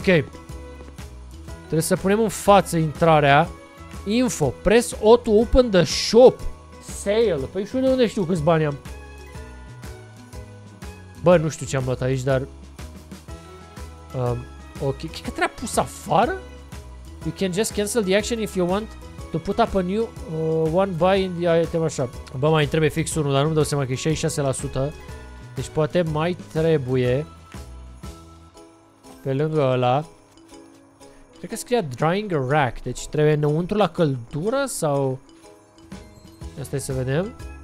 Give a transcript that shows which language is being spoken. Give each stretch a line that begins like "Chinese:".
Romanian: Trebuie să punem în față intrarea. Info.
English: Press O to open the shop.
Romanian: Sale. Păi și unde știu câți bani am? Bă, nu știu ce am luat aici, dar Ok, cred că trebuie pus afară.
English: You can just cancel the action if you want to put up a new one by in the item shop.
Romanian: Bă, mai trebuie fix unul, dar nu-mi dau seama că e 66%. Deci poate mai trebuie pe lângă ăla. Cred că scria drying rack, deci trebuie înăuntru la căldură sau... Asta e să vedem.